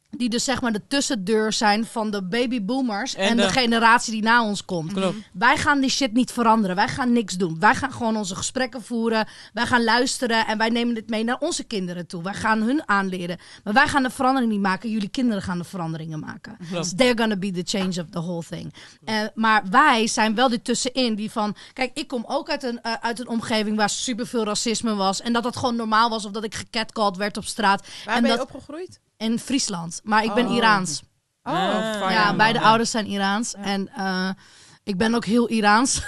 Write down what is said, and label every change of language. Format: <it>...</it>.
<nl>Die dus zeg maar de tussendeur zijn van de babyboomers en de generatie die na ons komt. Klopt. Wij gaan die shit niet veranderen. Wij gaan niks doen. Wij gaan gewoon onze gesprekken voeren. Wij gaan luisteren en wij nemen dit mee naar onze kinderen toe. Wij gaan hun aanleren. Maar wij gaan de verandering niet maken. Jullie kinderen gaan de veranderingen maken.</nl> <en>So they're gonna be the change of the whole thing.</en> <nl>Maar wij zijn wel die tussenin die van... Kijk, ik kom ook uit een omgeving waar superveel racisme was. En dat gewoon normaal was of dat ik gecatcalled werd op straat. Waar ben je opgegroeid? In Friesland. Maar ik ben Iraans. Oh, ja, beide ouders zijn Iraans. Ja. En ik ben ook heel Iraans.</nl>